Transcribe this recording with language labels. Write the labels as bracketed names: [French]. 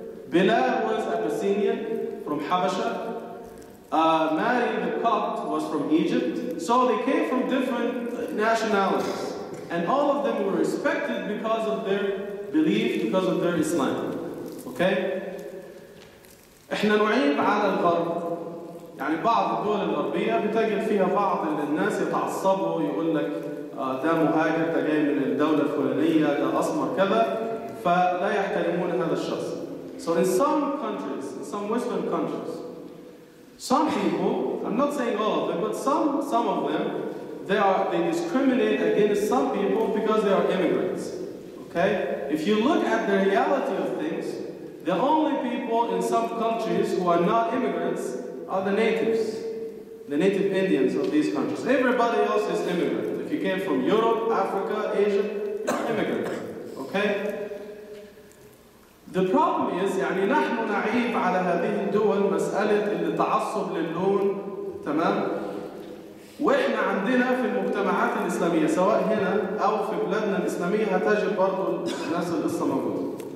[English] Bilal was Abyssinian from Habasha. Mari the Copt was from Egypt. So they came from different nationalities. And all of them were respected because of their belief, because of their Islam. [Arabic] Okay? إحنا نعيب على الغرب. يعني بعض الدول الغربية بتجد فيها بعض الناس يتعصبوا ويقول لك ده مهاجر, ده جاي من الدولة الفلانية, ده أسمر كذا, فلا يحترمون هذا الشخص. [English] So in some countries, in some Western countries, some people, I'm not saying all of them, but some of them, they discriminate against some people because they are immigrants. Okay? If you look at the reality of things, the only people in some countries who are not immigrants are the natives, the native Indians of these countries. Everybody else is immigrant. If you came from Europe, Africa, Asia, immigrant. Okay? The problem is, [Arabic] يعني نحن نعيب على هذه الدول مسألة التعصب للون, تمام؟ وإحنا عندنا في المجتمعات الإسلامية سواء هنا أو في بلادنا الإسلامية هتجد برضو الناس القصة موجودة.